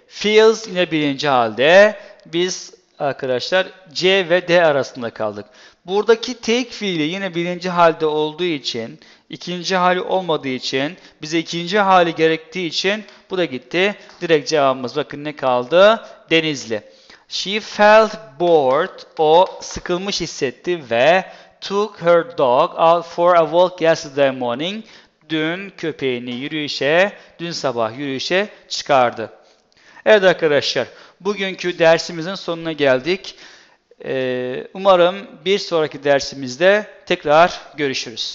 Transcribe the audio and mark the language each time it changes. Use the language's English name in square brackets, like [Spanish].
[Turkish] Feels yine birinci halde. Biz arkadaşlar C ve D arasında kaldık. Buradaki take fiili yine birinci halde olduğu için, ikinci hali olmadığı için, bize ikinci hali gerektiği için bu da gitti. Direkt cevabımız bakın ne kaldı? Denizli. [English] She felt bored, [Turkish] o sıkılmış hissetti ve [English] took her dog out for a walk yesterday morning. [Turkish] Dün köpeğini yürüyüşe, dün sabah yürüyüşe çıkardı. Evet arkadaşlar, bugünkü dersimizin sonuna geldik. Umarım bir sonraki dersimizde tekrar görüşürüz.